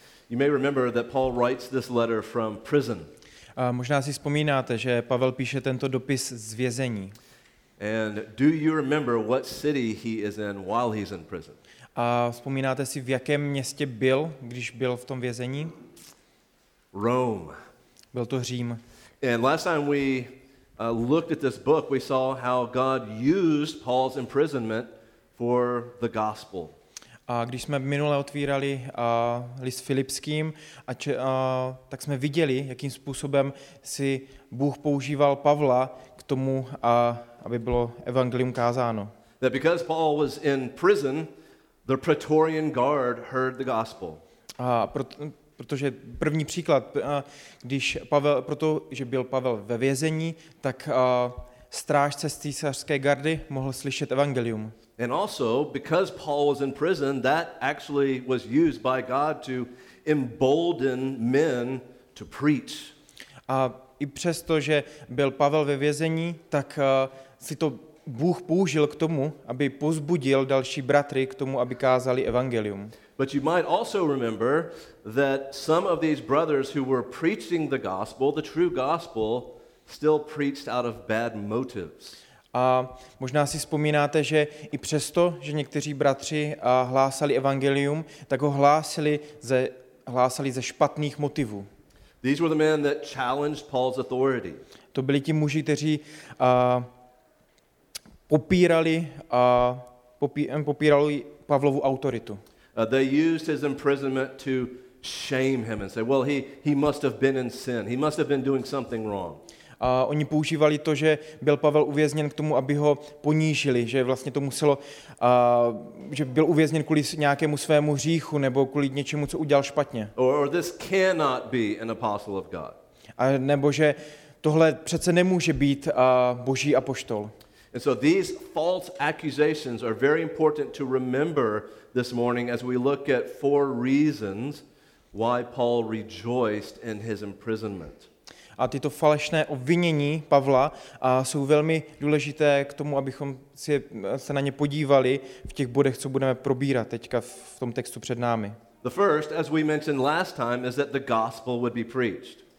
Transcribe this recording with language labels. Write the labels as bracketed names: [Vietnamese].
[English] You may remember that Paul writes this letter from prison. [Czech] A možná si vzpomínáte, že Pavel píše tento dopis z vězení. [English] And do you remember what city he is in while he's in prison? [Czech] A vzpomínáte si, v jakém městě byl, když byl v tom vězení? [English] Rome. [Czech] Byl to Řím. [English] And last time we looked at this book, we saw how God used Paul's imprisonment for the gospel. [Czech] A když jsme minule otvírali List Filipským, tak jsme viděli, jakým způsobem si Bůh používal Pavla k tomu, aby bylo evangelium kázáno. [English] That because Paul was in prison, the Praetorian Guard heard the gospel. [Czech] Protože první příklad, když Pavel, protože byl Pavel ve vězení, tak strážce z císařské gardy mohl slyšet evangelium. [English] And also, because Paul was in prison, that actually was used by God to embolden men to preach. [Czech] A i přesto, že byl Pavel ve vězení, tak si to Bůh použil k tomu, aby pozbudil další bratry k tomu, aby kázali evangelium. [English] But you might also remember that some of these brothers who were preaching the gospel, the true gospel, still preached out of bad motives. [Czech] A možná si vzpomínáte, že i přesto, že někteří bratři hlásali evangelium, tak ho hlásali ze špatných motivů. [English] These were the men that challenged Paul's authority. [Czech] To byli ti muži, kteří popírali Pavlovu autoritu. [English] They used his imprisonment to shame him and say, well, he must have been in sin. He must have been doing something wrong. [Czech] A oni používali to, že byl Pavel uvězněn k tomu, aby ho ponížili, že vlastně to muselo, že byl uvězněn kvůli nějakému svému hříchu nebo kvůli něčemu, co udělal špatně. [English] Or this cannot be an apostle of God. [Czech] A nebo že tohle přece nemůže být Boží apoštol. [English] And so these false accusations are very important to remember this morning as we look at four reasons why Paul rejoiced in his imprisonment. [Czech] A tyto falešné obvinění Pavla jsou velmi důležité k tomu, abychom se na ně podívali v těch bodech, co budeme probírat teďka v tom textu před námi. [English] The first, as we mentioned last time, is that the gospel would be preached.